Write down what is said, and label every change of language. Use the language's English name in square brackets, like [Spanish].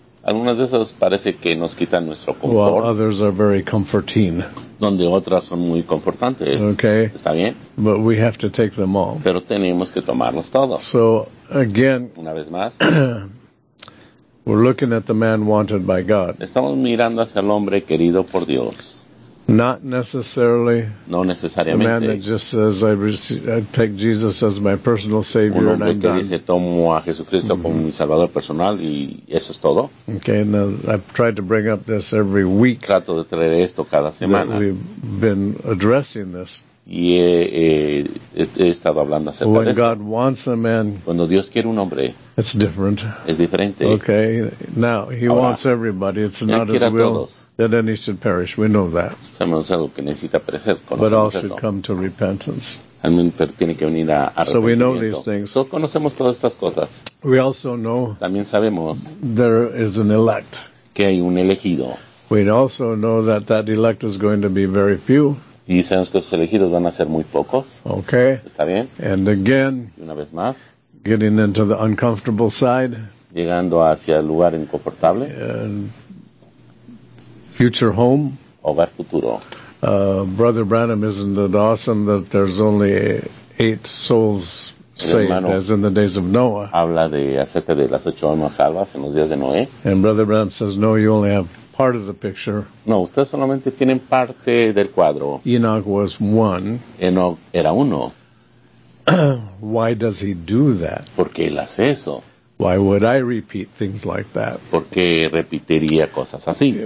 [Spanish] Algunas de esas parece que nos quitan nuestro confort. [English] While others are very comforting. [Spanish] Donde otras son muy confortantes. [English] Okay. [Spanish] Está bien. [English] But we have to take them all. [Spanish] Pero tenemos que tomarlos todos. [English] So, again, [Spanish] una vez más, [English] we're looking at the man wanted by God. [Spanish] Estamos mirando hacia el hombre querido por Dios. [English] Not necessarily. [Spanish] No necesariamente. [English] The man that just says, I take Jesus as my personal Savior and I'm done. [Spanish] Un hombre que dice, tomo a Jesucristo como mi Salvador personal y eso es todo. [English] Okay, now I've tried to bring up this every week. [Spanish] Trato de traer esto cada semana. [English] That we've been addressing this. [Spanish] Y he estado hablando acerca [English] when [Spanish] de esto. [English] God wants a man, [Spanish] cuando Dios quiere un hombre, [English] it's different. [Spanish] Es diferente. [English] Okay, now he [Spanish] ahora, [English] wants everybody. It's not his will. That any should perish, we know that. [Spanish] Sabemos algo que necesita perecer. Conocemos [English] but all [Spanish] eso. [English] Should come to repentance. [Spanish] Pero tiene que venir a arrepentimiento. [English] So we know these things. [Spanish] So conocemos todas estas cosas. [English] We also know. [Spanish] También sabemos. [English] There is an elect. [Spanish] Que hay un elegido. [English] We also know that that elect is going to be very few. [Spanish] Y sabemos que esos elegidos van a ser muy pocos. [English] Okay. [Spanish] Está bien. [English] And again. [Spanish] Y una vez más. [English] Getting into the uncomfortable side. [Spanish] Llegando hacia el lugar incomfortable. [English] Future home. [Spanish] Hogar futuro. [English] Brother Branham, isn't it awesome that there's only 8 souls saved, as in the days of Noah. [Spanish] Habla de acerca de las ocho almas salvas en los días de Noé. [English] And Brother Branham says, no, you only have part of the picture. [Spanish] No, ustedes solamente tienen parte del cuadro. [English] Enoch was one. [Spanish] Enoch era uno. [English] Why does he do that? [Spanish] ¿Por qué él hace eso? [English] Why would I repeat things like that? [Spanish] ¿Por qué repetiría cosas así?